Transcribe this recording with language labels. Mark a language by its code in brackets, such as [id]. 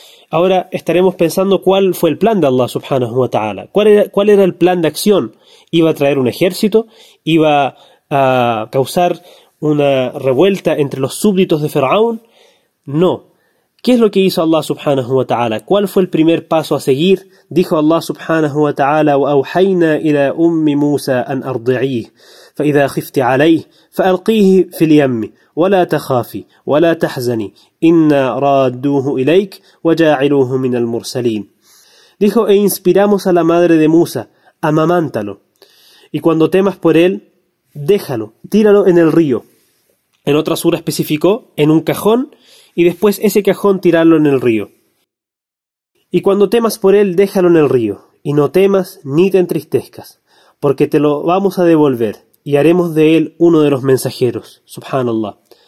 [es] Ahora estaremos pensando cuál fue el plan de Allah subhanahu wa ta'ala. ¿Cuál era el plan de acción? ¿Iba a traer un ejército? ¿Iba a causar una revuelta entre los súbditos de Faraón? No. ¿Qué es lo que hizo Allah subhanahu wa ta'ala? ¿Cuál fue el primer paso a seguir? Dijo [ar] Allah subhanahu wa ta'ala, وَأَوْحَيْنَا إِلَىٰ أُمِّ مُوسَىٰ أَنْ أَرْضِعِيهِ فَإِذَا خِفْتِ عَلَيْهِ فَأَلْقِيهِ فِي الْيَمِّ وَلَا تَخَافِي وَلَا تَحْزَنِي إِنَّا رَادُّوهُ إِلَيْكَ وَجَاعِلُوهُ مِنَ الْمُرْسَلِينَ. [es] Dijo, e inspiramos a la madre de Musa, amamántalo, y cuando temas por él, déjalo, tíralo en el río. En otra sura especificó, en un cajón, y después ese cajón tirarlo en el río. Y cuando temas por él, déjalo en el río, y no temas ni te entristezcas, porque te lo vamos a devolver, y haremos de él uno de los mensajeros. Subhanallah.